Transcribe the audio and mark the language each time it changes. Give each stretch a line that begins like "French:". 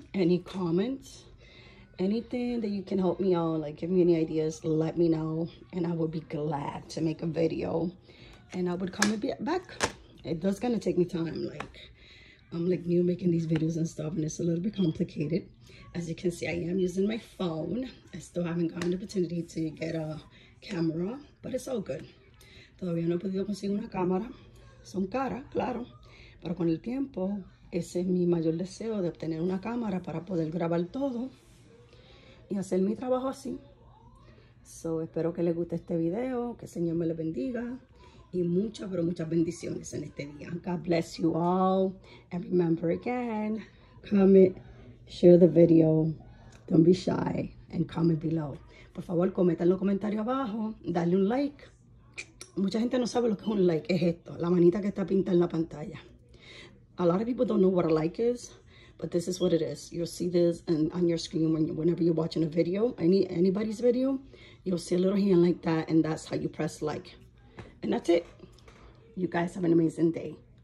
English: Any comments, anything that you can help me out, like give me any ideas, let me know, and I would be glad to make a video and I would comment back. It does kind of take me time, like I'm like new making these videos and stuff, and it's a little bit complicated. As you can see, I am using my phone. I still haven't gotten the opportunity to get a camera, but it's all good.
Spanish: Todavía no he podido conseguir una cámara. Son caras, claro. Pero con el tiempo, ese es mi mayor deseo, de obtener una cámara para poder grabar todo y hacer mi trabajo así. So, espero que les guste este video, que el Señor me lo bendiga y muchas, pero muchas bendiciones en este día.
English: God bless you all. And remember again, comment, share the video, don't be shy, and comment below.
Spanish: Por favor, comenten en los comentarios abajo, dale un like. Mucha gente no sabe lo que es un like, es esto, la manita que está pintada en la pantalla.
English: A lot of people don't know what a like is, but this is what it is. You'll see this and on your screen whenever you're watching a video, anybody's video, you'll see a little hand like that, and that's how you press like. And that's it. You guys have an amazing day.